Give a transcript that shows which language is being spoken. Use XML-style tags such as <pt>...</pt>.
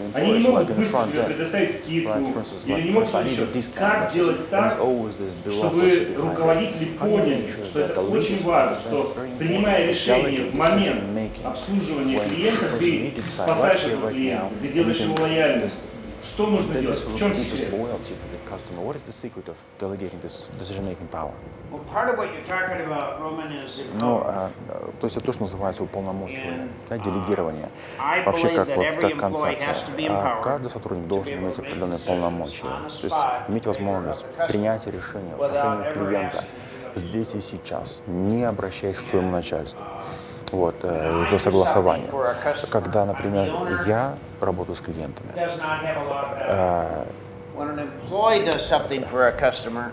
<ru>Они не могут быстро предоставить скидку или не могут сказать, как сделать так, чтобы руководители поняли, что это очень важно, что принимая решение в момент обслуживания клиента, ты спасаешь этого клиента, ты делаешь его лояльным. Что нужно делать? В чем секрет?</ru> <en>Customer, what is the secret of delegating this decision-making power? Well, part of what you're talking about, Roman, is if</en> <ru>no, то есть это то, что называется уполномочивание, да, делегирование. Вообще, как концепция. Каждый сотрудник должен иметь определенные полномочия, то есть иметь возможность принять решение в отношении клиента здесь и сейчас, не обращаясь к своему начальству. Вот, за согласование. Когда, например, я работаю с клиентами,</ru> <en>when an employee does something for a customer,</en>